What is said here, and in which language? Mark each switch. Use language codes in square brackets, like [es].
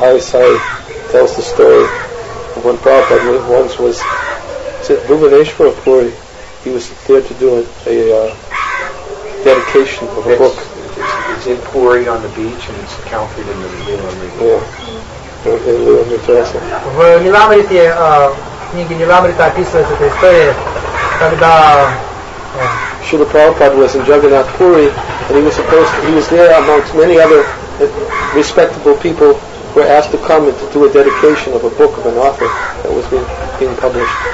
[en] Harry Sai tells the story of when Prabhupada once was at Bhuvaneshwar Puri. He was there to do a dedication of a book. In Puri on the beach, and it's counted in the Lilamrita. [ru] В Лиламрите, книге Лиламрита описывается эта история, когда [en] Шрила Прабхупада was in Jagannath Puri, and he was there amongst many other respectable people who were asked to come and to do a dedication of a book of an author that was being published.